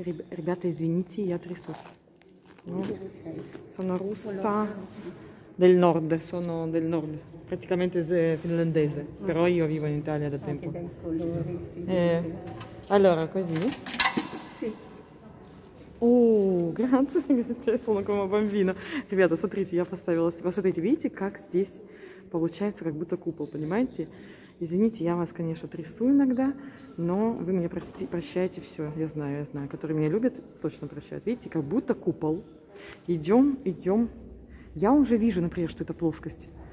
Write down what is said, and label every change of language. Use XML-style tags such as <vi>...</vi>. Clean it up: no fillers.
<ru>Ребята, извините, я трясусь.</ru> <it>Sono russa del nord, sono del nord. Praticamente finlandese, però io vivo in Italia da tempo. Anche dai colori, sì. Allora, così? Sì. Oh, grazie, sono come bambina.</it> <ru>Ребята, смотрите, я поставила... Посмотрите, видите, как здесь получается, как будто купол, понимаете? Извините, я вас, конечно, трясу иногда, но вы меня простите, прощаете все. Я знаю, которые меня любят, точно прощают. Видите, как будто купол. Идем, идем. Я уже вижу, например, что это плоскость.</ru>